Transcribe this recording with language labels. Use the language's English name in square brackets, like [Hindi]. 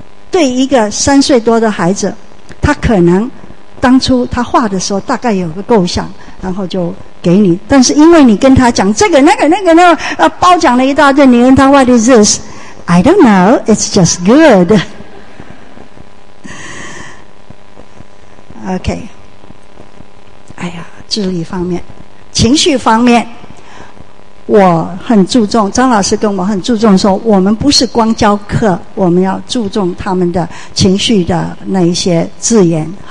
[Chinese] 对一个三岁多的孩子他可能当初他画的时候大概有个构想然后就给你，但是因为你跟他讲这个那个那个那个包讲了一大堆，你问他 [English] What is this? I don't know, it's just good. [Chinese] OK 哎呀，智力方面情绪方面我很注重，张老师跟我很注重说我们不是光教课，我们要注重他们的情绪的那一些字眼